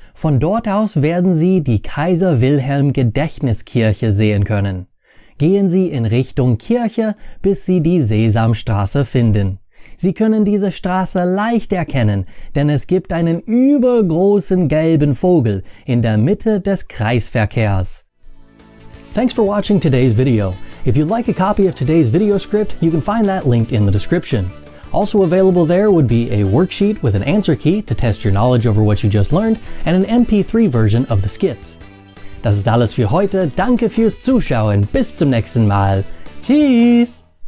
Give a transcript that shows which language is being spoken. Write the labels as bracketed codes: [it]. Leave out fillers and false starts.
[de] Von dort aus werden Sie die Kaiser-Wilhelm-Gedächtniskirche sehen können. Gehen Sie in Richtung Kirche, bis Sie die Sesamstraße finden. Sie können diese Straße leicht erkennen, denn es gibt einen übergroßen gelben Vogel in der Mitte des Kreisverkehrs. [en] Thanks for watching today's video. If you'd like a copy of today's video script, you can find that linked in the description. Also available there would be a worksheet with an answer key to test your knowledge over what you just learned and an MP3 version of the skits. [de] Das ist alles für heute. Danke fürs Zuschauen. Bis zum nächsten Mal. Tschüss!